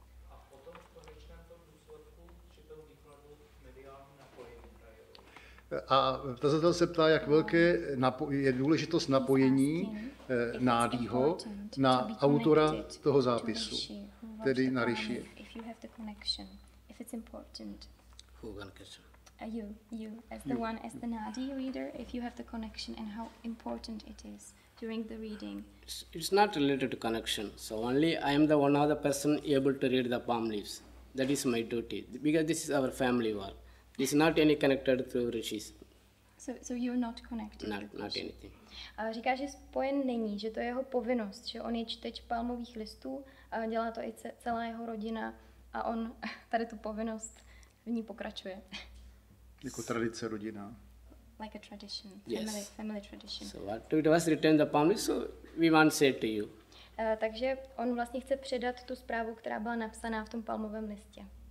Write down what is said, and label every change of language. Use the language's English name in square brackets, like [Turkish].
[Czech] A potom v konečném tom důsledku přitom výkladu mediální napojení. A tazatel se ptá, jak velké je důležitost napojení nádýho na autora toho zápisu, tedy na Rishi. [English] If you have the connection, if it's important. Who can catch it? You, as the one, as the Nadi reader, if you have the connection and how important it is during the reading. It's not related to connection. So only I am the one other person able to read the palm leaves. That is my duty, because this is our family work. It's not any connected through Rishis. So you're not connected? Not anything. [Czech] Říká, že spojen není, že to je jeho povinnost, že on je čteč palmových listů, dělá to i celá jeho rodina a on tady tu povinnost v ní pokračuje. Jako tradice, rodina. [English] Like a tradition, family tradition. So what to us return the palm leaves, so we want to say to you. [Czech] Takže on vlastně chce předat tu zprávu, která byla napsaná v tom palmovém listě.